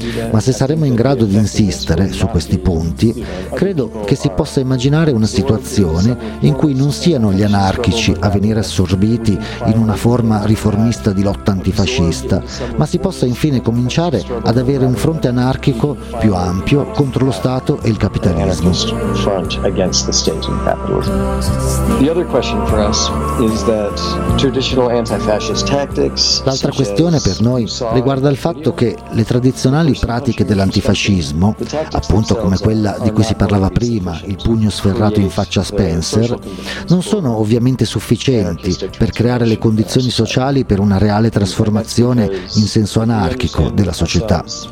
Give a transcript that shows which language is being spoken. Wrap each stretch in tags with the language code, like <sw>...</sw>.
<it>Ma se saremo in grado di insistere su questi punti, credo che si possa immaginare una situazione in cui non siano gli anarchici a venire assorbiti in una forma riformista di lotta antifascista, ma si possa infine cominciare ad avere un fronte anarchico più ampio contro lo Stato e il capitalismo.</it> <en>Front against the state and capitalism. The other question for us is that traditional anti-fascist tactics.</en> <it>L'altra questione per noi riguarda il fatto che le tradizionali pratiche dell'antifascismo, appunto come quella di cui si parlava prima, il pugno sferrato in faccia a Spencer, non sono ovviamente sufficienti per creare le condizioni sociali per una reale trasformazione in senso anarchico della società.</it>